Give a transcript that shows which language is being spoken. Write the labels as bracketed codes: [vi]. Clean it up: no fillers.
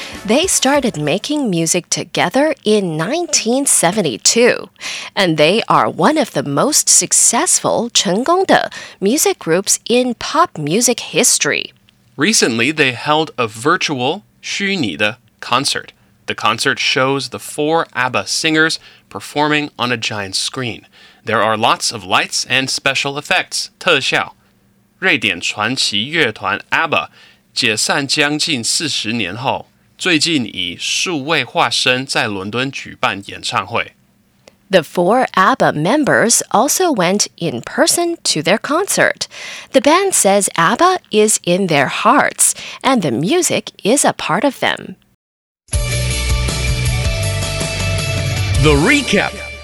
[en] They started making music together in 1972, and they are one of the most successful 成功的 music groups in pop music history. Recently, they held a virtual 虚拟的 concert. The concert shows the four ABBA singers performing on a giant screen. There are lots of lights and special effects, 特效。 [zh] 瑞典传奇乐团 ABBA解散将近40年后，最近以数位化身在伦敦举办演唱会。 [en] The four ABBA members also went in person to their concert. The band says ABBA is in their hearts, and the music is a part of them. The recap.